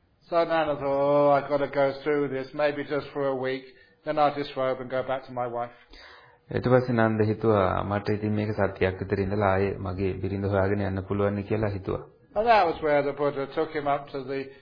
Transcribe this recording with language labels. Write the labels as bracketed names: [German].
[English] So Nanda thought, "Oh, I've got to go through this, maybe just for a week, then I'll disrobe and go back to my wife." [Sinhala] ඊට පස්සේ නන්ද හිතුවා මට ඉතින් මේක සත්‍යයක් විතර ඉඳලා ආයේ මගේ බිරිඳ හොයාගෙන යන්න පුළුවන් නේ කියලා හිතුවා. [English] And that was where the Buddha took him up to the